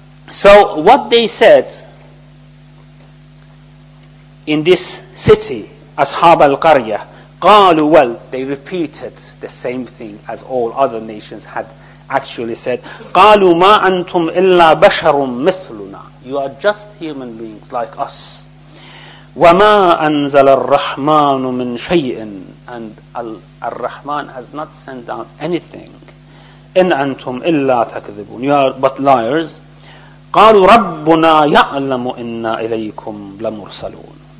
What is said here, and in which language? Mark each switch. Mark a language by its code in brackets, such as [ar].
[en] So what they said in this city, Ashab al-Qarya, قالوا, well, they repeated the same thing as all other nations had actually said. [ar] قالوا ما أنتم إلا بشر مثلنا. [en] You are just human beings like us. [ar] وَمَا أَنزَلَ الرَّحْمَانُ مِنْ شَيْءٍ. [en] And الرَّحْمَان has not sent down anything. [ar] إِنْ أَنْتُمْ إِلَّا تَكْذِبُونَ. [en] You are but liars. [ar] قَالُوا رَبُّنَا يَعْلَمُ إِنَّا إِلَيْكُمْ لَمُرْسَلُونَ.